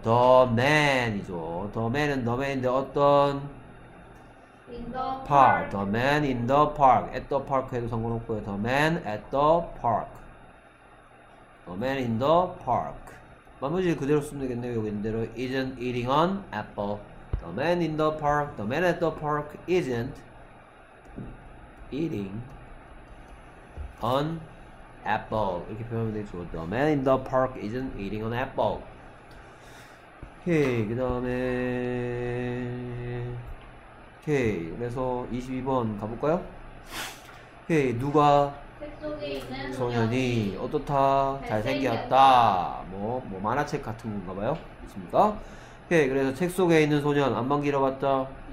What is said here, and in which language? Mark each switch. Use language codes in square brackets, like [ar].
[en] The man이죠. The man은 the man인데 어떤 park. The man in the park. At the park [ko] 해도 상관없고요. [en] The man at the park. The man in the park. [ko] 마무리 그대로 쓰면 되겠네요. 여기 있는 대로 [en] isn't eating an apple. The man in the park. The man at the park isn't eating an apple. [ko] 이렇게 표현하면 되겠죠. [en] The man in the park isn't eating an apple. [ko] 오케이, 그 다음에 오케이, 그래서 22번 가볼까요? 오케이, 누가 소년이 어떻다? 잘생겼다. 뭐 만화책 같은 건가 봐요. 맞습니까? 오케이, 그래서 책 속에 있는 소년 안만 길어봤다.